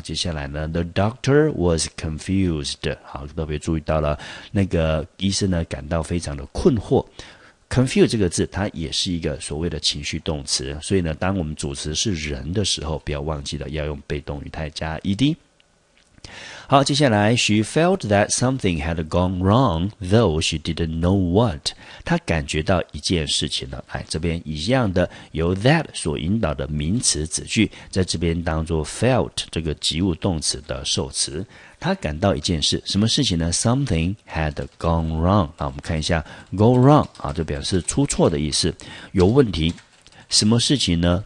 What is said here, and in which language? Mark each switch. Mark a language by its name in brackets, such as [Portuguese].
[Chinese] 接下来呢 [English] the doctor was confused。 [Chinese] 好，特别注意到了那个医生呢感到非常的困惑。 Confuse 这个字它也是一个所谓的情绪动词，所以呢当我们主词是人的时候，不要忘记了要用被动语态加 ed。好，接下来 [English] She felt that something had gone wrong though she didn't know what。 [Chinese] 她感觉到一件事情了，哎，这边一样的由 that 所引导的名词子句，在这边当作 felt 这个及物动词的受词。他感到一件事，什么事情呢？ [English] Something had gone wrong。 [Chinese] 那我们看一下 go wrong 啊，就表示出错的意思，有问题，什么事情呢？